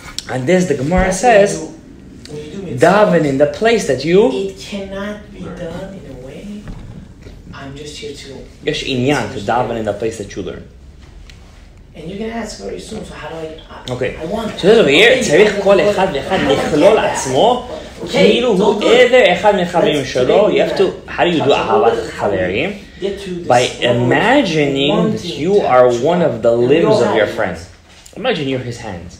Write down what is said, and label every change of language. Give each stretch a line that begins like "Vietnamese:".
English: And this, the Gemara says, daven in the place that you... It cannot be done in a way... I'm just here to... Yes, inyan, to daven in the place that you learn. And you're going to ask very soon, so how do I... Okay. I want... So this over here,
Hebrew: צריך כל אחד ואחד לכלול עצמו, כאילו הוא עדר אחד מחברים שלו,
English: you have to... How do you do אהבת חברים? By imagining that you are one of the limbs of your friend. Imagine you're his hands.